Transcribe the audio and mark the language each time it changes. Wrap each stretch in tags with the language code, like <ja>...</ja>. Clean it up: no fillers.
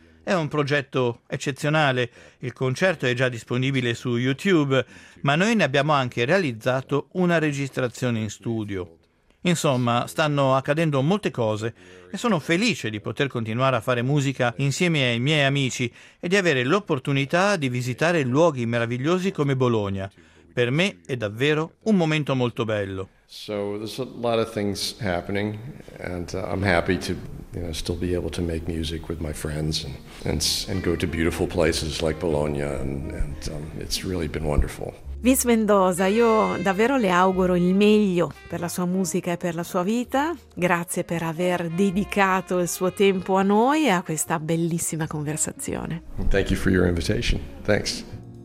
<it>È un progetto eccezionale, il concerto è già disponibile su YouTube, ma noi ne abbiamo anche realizzato una registrazione in studio. Insomma, stanno accadendo molte cose e sono felice di poter continuare a fare musica insieme ai miei amici e di avere l'opportunità di visitare luoghi meravigliosi come Bologna. Per me è davvero un momento molto bello.</it> <en>So there's a lot of things happening and I'm happy to, you know, still be able to make music with my friends and go to beautiful places like Bologna and it's really been wonderful.</en> <it>Luis Mendoza, io davvero le auguro il meglio per la sua musica e per la sua vita. Grazie per aver dedicato il suo tempo a noi e a questa bellissima conversazione.</it> <en>Thank you for your invitation. Thanks.</en>